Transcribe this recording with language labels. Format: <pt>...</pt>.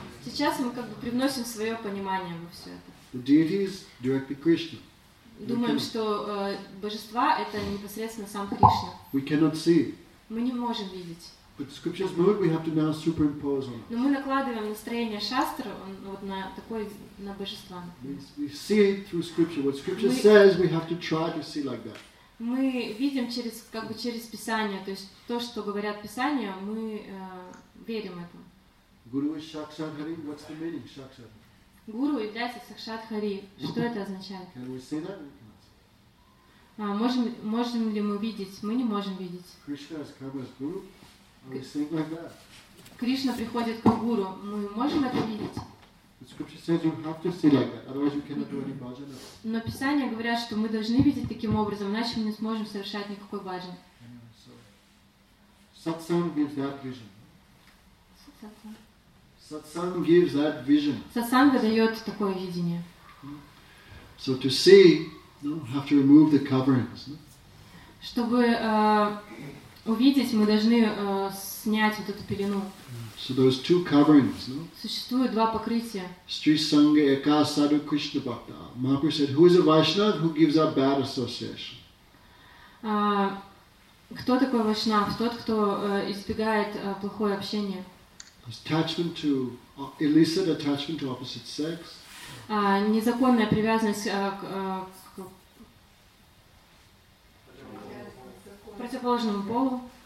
<ru>Сейчас мы как бы привносим свое понимание во все это.</ru> <en>The deity is directly Krishna.</en> <ru>Думаем, что божества это непосредственно сам Кришна.</ru> <en>We cannot see.</en> <ru>Мы не можем видеть.</ru> <en>But the scriptures move, we have to now superimpose on.</en> <ru>Но мы накладываем настроение шастр вот на такое на божество.</ru> <en>We see it through scripture. What scripture says, we have to try to see like that.</en> <ru>Мы видим через как бы через Писание, то есть то, что говорят Писания, мы верим этому.</ru> <en>Guru is Shakshat Hari. What's the meaning, Shakshat?</en> <ru>Гуру является Сакшат Хари. Что это означает?</ru> <en>Can we see that?</en> <ru>Можем ли мы видеть? Мы не можем видеть.</ru> <en>Krishna has come as Guru. Are we seeing like that?</en> <ru>Кришна приходит к Гуру. Мы можем это видеть?</ru> <en>The scripture says you have to see like that, otherwise you cannot do any bhajana.</en> <ru>Но Писания говорят, что мы должны видеть таким образом, иначе мы не сможем совершать никакой бхаджан.</ru> <en>Satsang gives that vision. Satsang. Satsang gives that vision.</en> <ru>Сатсанга дает такое видение.</ru> <en>So to see, you have to remove the coverings.</en> <ru>Чтобы увидеть, мы должны снять вот эту пелену.</ru> <en>So those two coverings, no?</en> <ru>Существует два покрытия.</ru> <sa>Stri Sangha Eka Sadhu Krishna Bhakta.</sa> <en>Mahaprabhu said, who is a Vaishnava who gives up bad association?</en> <ru>Кто такой Вайшнав? Тот, кто избегает плохое общение.</ru> <en>Attachment to illicit attachment to opposite sex.</en> <ru>Незаконная привязанность к противоположному полу.</ru>